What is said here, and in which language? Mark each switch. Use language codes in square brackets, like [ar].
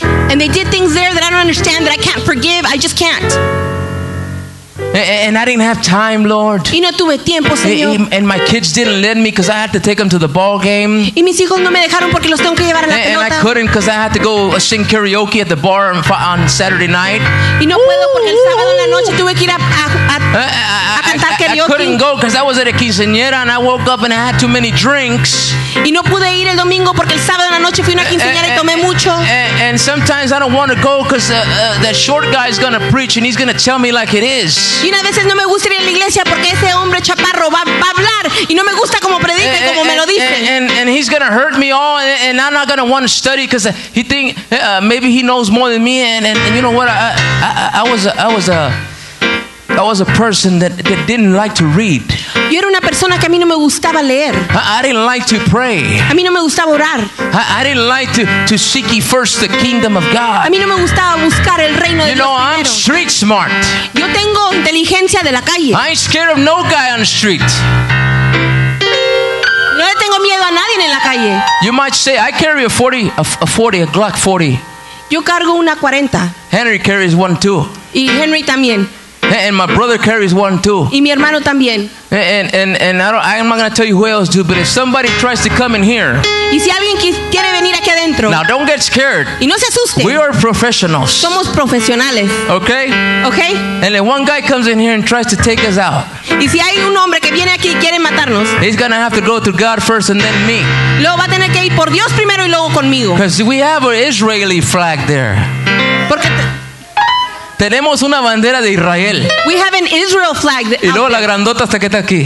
[en] And they did things there that I don't understand, that I can't forgive. I just can't. And I didn't have time, Lord. [es] Y no tuve tiempo, Señor. [en] And my kids didn't let me because I had to take them to the ball game. [es] Y mis hijos no me dejaron porque los tengo que llevar a la pelota. [en] And I couldn't because I had to go sing karaoke at the bar on Saturday night. [es] Y no puedo porque el sábado en la noche tuve que ir a cantar karaoke. [en] I couldn't go because I was at a quinceañera and I woke up and I had too many drinks. [es] Y no pude ir el domingo porque el sábado en la noche fui a una quinceañera y tomé mucho. [en] And sometimes I don't want to go because that short guy is going to preach and he's going to tell me like it is. [es] Y una vez no me gusta ir a la iglesia porque ese hombre chaparro va a hablar y no me gusta como predica y como me lo dice. [en] And he's going to hurt me all and I'm not going to want to study because he think maybe he knows more than me and you know what I was a person that didn't like to read. [es] Yo era una persona que a mí no me gustaba leer. [en] I didn't like to pray. [es] A mí no me gustaba orar. [en] I didn't like to seek first the kingdom of God. [es] A mí no me gustaba buscar el reino de Dios. [en] You know, I'm street smart. [es] Yo tengo inteligencia de la calle. [en] I ain't scared of no guy on the street. [es] No le tengo miedo a nadie en la calle. [en] You might say I carry a Glock 40. [es] Yo cargo una 40. [en] Henry carries one too. [es] Y Henry también. [en] And my brother carries one too. [es] Y mi hermano también. [en] I'm not going to tell you who else do, but if somebody tries to come in here. [es] Y si alguien quiere venir aquí adentro. [en] Now don't get scared. [es] Y no se asusten. [en] We are professionals. [es] Somos profesionales. [en] Okay? Okay? And if one guy comes in here and tries to take us out. [es] Y si hay un hombre que viene aquí y quiere matarnos. [en] He's going to have to go to God first and then me. [es] Luego va a tener que ir por Dios primero y luego conmigo. [en] Because we have an Israeli flag there. [es] Porque tenemos una bandera de Israel. [en] We have an Israel flag. [es] Y luego la grandota hasta que está aquí.